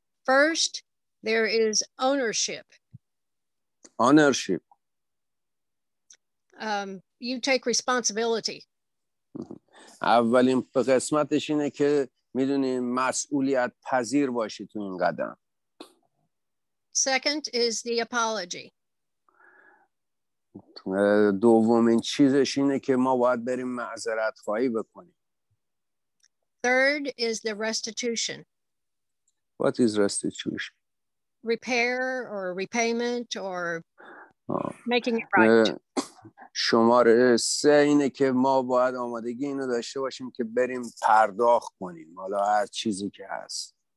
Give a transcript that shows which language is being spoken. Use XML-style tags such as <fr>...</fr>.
<en>First, there is ownership. Ownership. You take responsibility.</en> <fa>اولین قسمتش اینه که میدونی مسئولیت پذیر باشی تو این قدم.</fa> <en>Second is the apology.</en> <fa>دومین چیزش اینه که ما باید بریم معذرت خواهی بکنیم.</fa> <en>Third is the restitution. What is restitution? Repair or repayment or making it right.</en> <fa>شماره سه اینه که ما باید آمادگی اینو داشته باشیم که بریم پرداخت کنیم. حالا هر چیزی که هست.</fa>